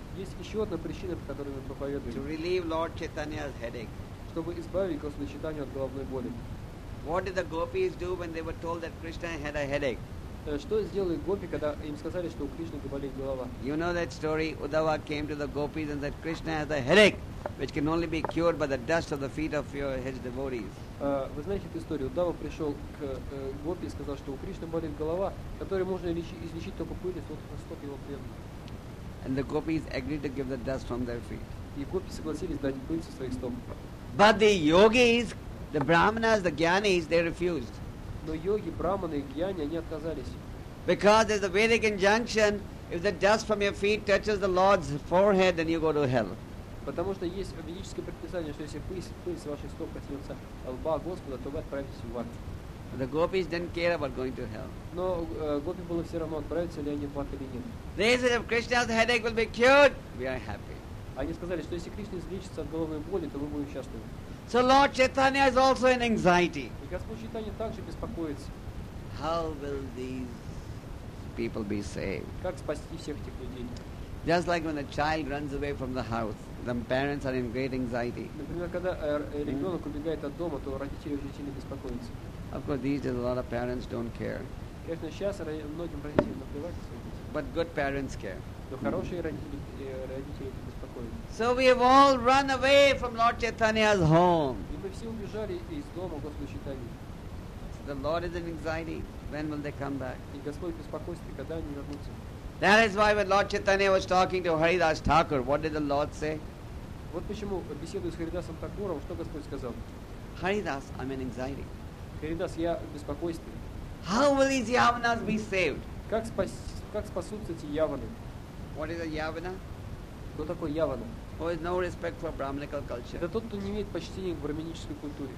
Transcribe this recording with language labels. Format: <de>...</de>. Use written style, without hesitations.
<ru>Есть еще одна причина, по которой мы проповедуем.</ru> <en>To relieve Lord Chaitanya's headache.</en> <ru>Чтобы избавить Господа Чайтанью от головной боли.</ru> <en>What did the gopis do when they were told that Krishna had a headache?</en> <ru>Что сделали гопи, когда им сказали, что у Кришны болит голова?</ru> <en>You know that story. Uddhava came to the gopis and said, Krishna has a headache, which can only be cured by the dust of the feet of your his devotees.</en> <ru>Вы знаете эту историю? Уддава пришел к гопи и сказал, что у Кришны болит голова, которой можно излечить только пыль из стоп его преданных.</ru> <en>And the gopis agreed to give the dust from their feet.</en> <ru>И гопи согласились дать пыль со своих стоп.</ru> <en>But the yogis, the brahmanas, the gyanis, they refused.</en> <ru>Но йоги, брахманы и гьяни, они отказались.</ru> <en>Because there's a Vedic injunction, if the dust from your feet touches the Lord's forehead, then you go to hell.</en> <ru>Потому что есть ведическое предписание, что если пыль с ваших стоп коснется лба Господа, то вы отправитесь в ад.</ru> <en>The gopis didn't care about going to hell.</en> <ru>Но гопи было все равно, отправятся ли они в ад или нет.</ru> <en>They said, if Krishna's headache will be cured, we are happy.</en> <ru>Они сказали, что если Кришна излечится от головной боли, то мы будем счастливы.</ru> <en>So Lord Chaitanya is also in anxiety.</en> <ru>И Господь Чайтанья также беспокоится.</ru> <en>How will these people be saved?</en> <ru>Как спасти всех этих людей?</ru> <en>Just like when a child runs away from the house, the parents are in great anxiety.</en> <ru>Например, когда ребенок убегает от дома, то родители очень сильно беспокоятся.</ru> <en>Of course, these days a лот of parents don't care.</en> <ru>Конечно, сейчас многим родителям наплевать.</ru> <en>But good parents care.</en> <ru>Но хорошие родители беспокоятся.</ru> <en>So we have all run away from Lord Chaitanya's home.</en> <ru>И мы все убежали из дома Господа Чайтаньи.</ru> <en>The Lord is in anxiety. When will they come back?</en> <ru>И Господь беспокоится, когда они вернутся.</ru> <en>That is why when Lord Chaitanya was talking to Haridas Thakur, what did the Lord say?</en> <ru>Вот почему, беседуя с Харидасом Такуром, что Господь сказал?</ru> <en>Haridas, I'm in anxiety.</en> <ru>Харидас, я в беспокойстве.</ru> <en>How will these Yavanas be saved?</en> <ru>Как спасутся эти Яваны?</ru> <en>What is a Yavana?</en> <ru>Кто такой Явана?</ru> <en>Who has no respect for Brahminical culture.</en> <ru>Это тот, кто не имеет почтения к брахминической культуре.</ru>